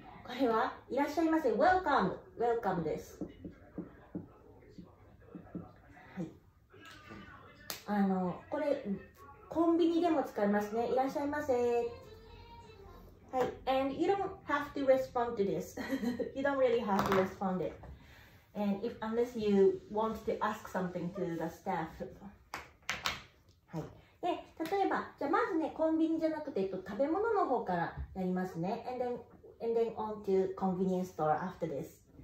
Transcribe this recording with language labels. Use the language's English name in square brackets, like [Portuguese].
[Japanese] これはいらっしゃいませ。 [English] Welcome です。 [Japanese] はい。これコンビニでも使いますね。いらっしゃいませ。はい。 [English] And you don't have to respond to this. You don't really have to respond it. And if unless you want to ask something to the staff. [Japanese] はい。で、例えば、じゃあまずね、コンビニじゃなくて、食べ物の方からやりますね。 [English] And then on to convenience store after this.